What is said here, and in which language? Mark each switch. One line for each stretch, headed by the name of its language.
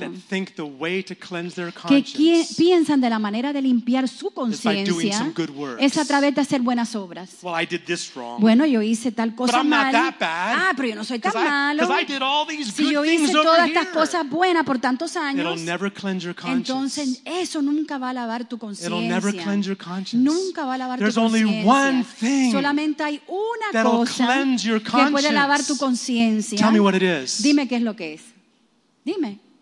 English: that think the way to cleanse their conscience
Spanish: que piensan de la manera de limpiar su conciencia es a través de hacer buenas obras.
English: Well, I did this wrong.
Spanish: Bueno, yo hice tal cosa
English: but I'm not that bad.
Spanish: Ah, pero yo no soy
English: Because I did all these good things over here.
Spanish: Si yo hice todas estas cosas buenas por tantos años,
English: it'll never cleanse your conscience.
Spanish: Entonces eso nunca va a lavar tu conciencia.
English: It'll never cleanse your conscience.
Spanish: Nunca va a lavar
English: There's
Spanish: tu conciencia.
English: There's only one thing.
Spanish: Solamente hay una cosa
English: cleanse your conscience.
Spanish: Que puede lavar tu conciencia.
English: Tell me what it is.
Spanish: Dime qué es lo que es. Dime.